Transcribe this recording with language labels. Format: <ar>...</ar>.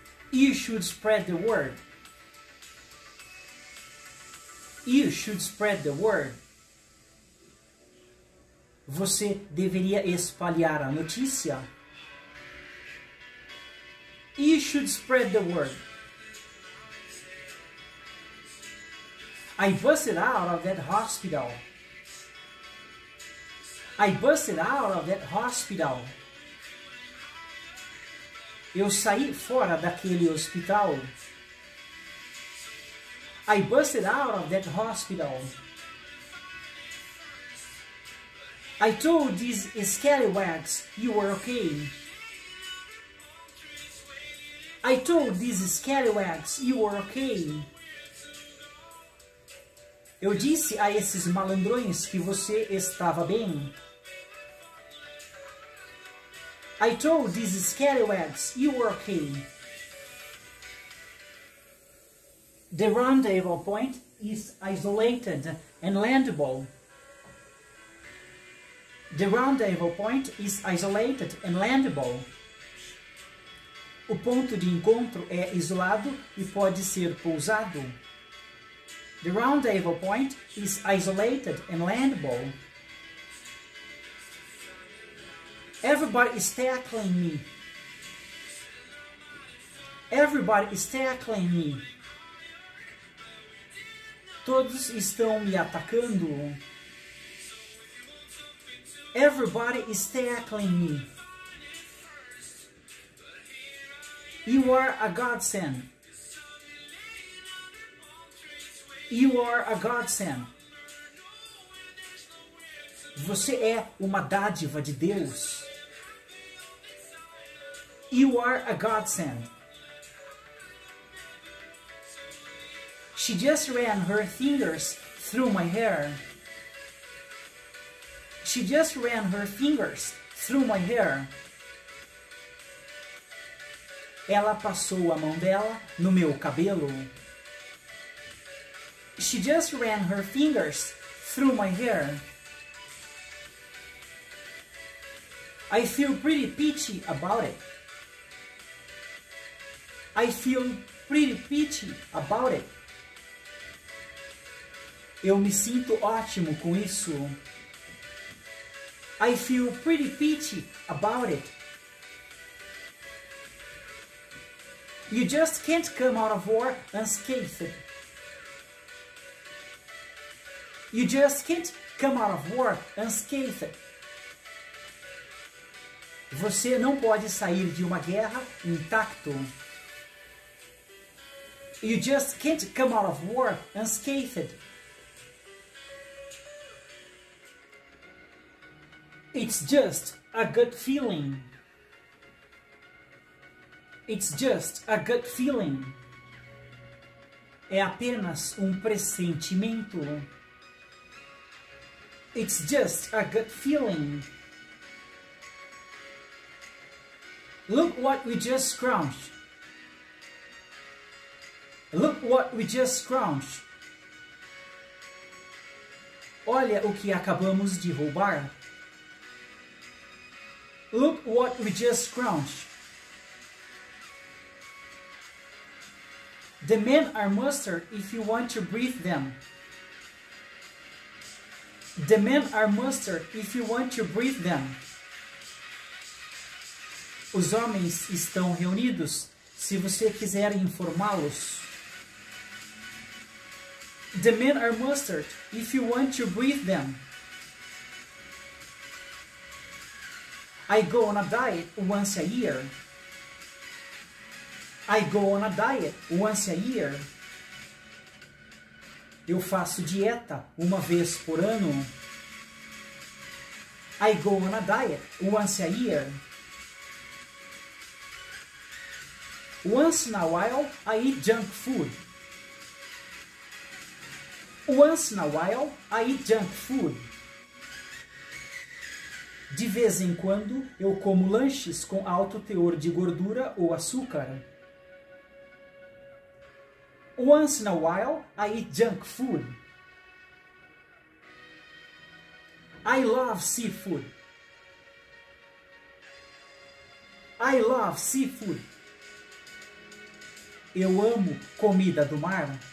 <en>You should spread the word. You should spread the word.</en> <pt>Você deveria espalhar a notícia.</pt> <en>You should spread the word. I busted out of that hospital. I busted out of that hospital.</en> <pt>Eu saí fora daquele hospital.</pt> <en>I busted out of that hospital. I told these scallywags you were okay. I told these scallywags you were okay.</en> <pt>Eu disse a esses malandrões que você estava bem.</pt> <en>I told these scallywags you were okay. The rendezvous point is isolated and landable. The rendezvous point is isolated and landable.</en> <pt>O ponto de encontro é isolado e pode ser pousado.</pt> <en>The rendezvous point is isolated and landable. Everybody is tackling me. Everybody is tackling me.</en> <pt>Todos estão me atacando.</pt> <en>Everybody is tackling me. You are a godsend. You are a godsend.</en> <pt>Você é uma dádiva de Deus.</pt> <en>You are a godsend. She just ran her fingers through my hair. She just ran her fingers through my hair.</en> <pt>Ela passou a mão dela no meu cabelo.</pt> <en>She just ran her fingers through my hair. I feel pretty peachy about it. I feel pretty peachy about it.</en> <pt>Eu me sinto ótimo com isso.</pt> <en>I feel pretty peachy about it. You just can't come out of war unscathed. You just can't come out of war unscathed.</en> <pt>Você não pode sair de uma guerra intacto.</pt> <en>You just can't come out of war unscathed. It's just a good feeling. It's just a good feeling.</en> <pt>É apenas pressentimento.</pt> <en>It's just a good feeling. Look what we just crunched. Look what we just crunched.</en> <pt>Olha o que acabamos de roubar.</pt> <en>Look what we just crunched. The men are mustard if you want to breathe them. The men are mustard if you want to breathe them.</en> <pt>Os homens estão reunidos se você quiser informá-los.</pt> <en>The men are mustard if you want to breathe them. I go on a diet once a year. I go on a diet once a year.</en> <pt>Eu faço dieta uma vez por ano.</pt> <en>I go on a diet once a year. Once in a while, I eat junk food. Once in a while, I eat junk food.</en> <pt>De vez em quando, eu como lanches com alto teor de gordura ou açúcar.</pt> <en>Once in a while, I eat junk food. I love seafood. I love seafood.</en> <pt>Eu amo comida do mar.</pt>